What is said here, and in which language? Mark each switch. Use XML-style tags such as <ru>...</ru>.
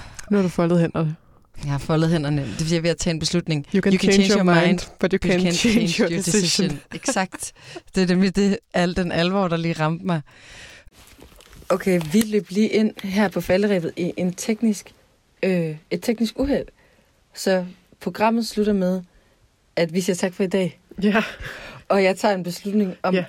<da>Nu har du foldet hænderne. Jeg har foldet hænderne. Det er fordi, jeg er ved at tage en beslutning.</da> <en>You can change your mind, but you can't change your decision.</en> <da>Exakt. Det er nemlig det, al den alvor, der lige ramte mig. Okay, vi løb lige ind her på falderebet i en teknisk, et teknisk uheld. Så programmet slutter med, at vi siger tak for i dag. Ja. Yeah. Og jeg tager en beslutning om, yeah.</da>